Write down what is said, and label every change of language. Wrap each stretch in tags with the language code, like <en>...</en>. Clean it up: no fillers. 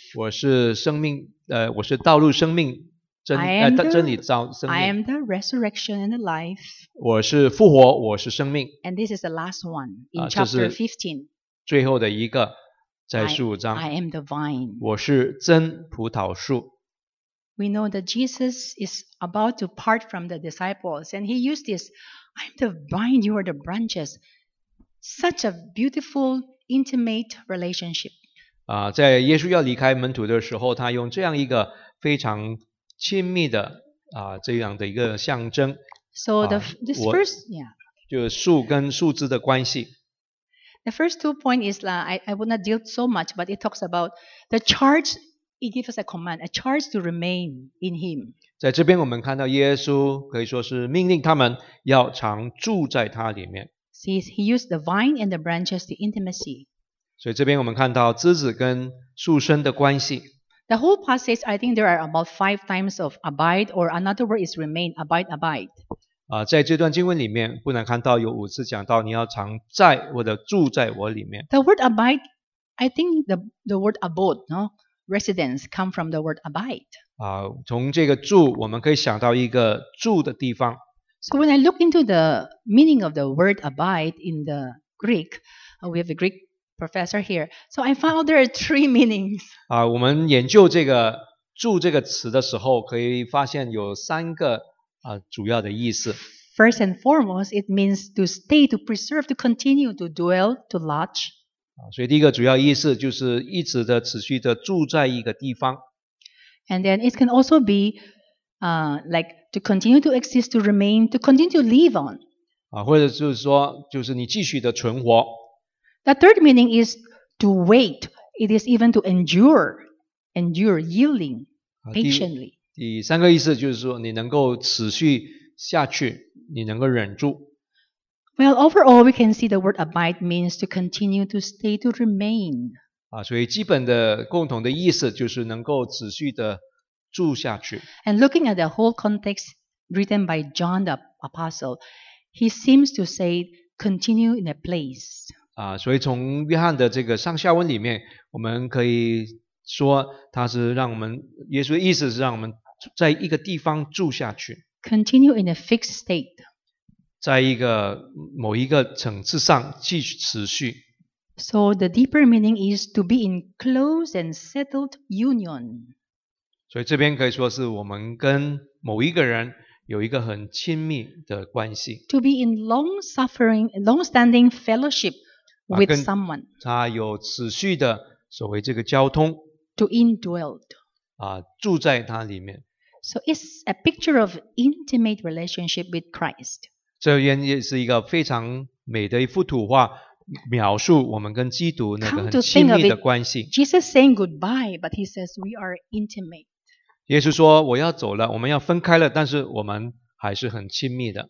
<zh>我是生命，我是道路、生命、真，真理、道、生命。</zh> <en>I am the resurrection and the life.</en> <zh>我是复活，我是生命。</zh> <en>And this is the last one in chapter 15.</en> <zh>最后的一个，在十五章。</zh> <en>I am the vine.</en> <zh>我是真葡萄树。</zh> <en>We know that Jesus is about to part from the disciples, and he used this, "I am the vine, you are the branches." Such a beautiful, intimate relationship.</en> <zh>啊，在耶稣要离开门徒的时候，他用这样一个非常亲密的啊这样的一个象征。</zh> <en>So the this first, yeah.</en> <zh>就树跟树枝的关系。</zh> <en>The first two points is that I would not deal so much, but it talks about the charge. He gives us a command, a charge to remain in him.</en> <zh>在这边我们看到耶稣可以说是命令他们要常住在他里面。</zh> <en>See, he used the vine and the branches, the intimacy.</en> <zh>所以这边我们看到枝子跟树身的关系。</zh> <en>The whole passage, I think there are about five times of abide, or another word is remain, abide, abide.</en> <zh>在这段经文里面不难看到有五次讲到你要常在或者住在我里面。</zh> <en>The word abide, I think the word abode, no? Residence come from the word abide.</en> <zh>从这个住我们可以想到一个住的地方。</zh> <en>So when I look into the meaning of the word abide in the Greek, we have a Greek professor here. So I found out there are three meanings.</en> <zh>我们研究这个住这个词的时候可以发现有三个主要的意思。</zh> <en>First and foremost, it means to stay, to preserve, to continue, to dwell, to lodge.</en> <zh>所以第一个主要意思就是一直的持续的住在一个地方。</zh> <en>And then it can also be, like to continue to exist, to remain, to continue to live on.</en> <zh>或者就是说，就是你继续的存活。</zh> <en>The third meaning is to wait. It is even to endure, yielding, patiently.</en> <zh>第三个意思就是说你能够持续下去，你能够忍住。</zh> <en>Well, overall, we can see the word abide means to continue, to stay, to remain.</en> <zh>所以基本的共同的意思就是能够持续的住下去。</zh> <en>And looking at the whole context written by John the Apostle, he seems to say continue in a place.</en> <zh>所以从约翰的这个上下文里面，我们可以说他是让我们，耶稣的意思是让我们在一个地方住下去。</zh> <en>Continue in a fixed state.</en> <zh>在一个某一个层次上继续持续。</zh> <en>So the deeper meaning is to be in close and settled union.</en> <zh>所以这边可以说是我们跟某一个人有一个很亲密的关系。</zh> <en>To be in long-standing fellowship with someone.</en> <zh>他有持续的所谓这个交通。</zh> <en>To indwelled.</en> <zh>住在他里面。</zh> <en>So it's a picture of intimate relationship with Christ.</en> <zh>这边也是一个非常美的一幅图画，描述我们跟基督那个很亲密的关系。</zh> <en>Jesus saying goodbye, but he says we are intimate.</en> <zh>耶稣说我要走了，我们要分开了，但是我们还是很亲密的。</zh>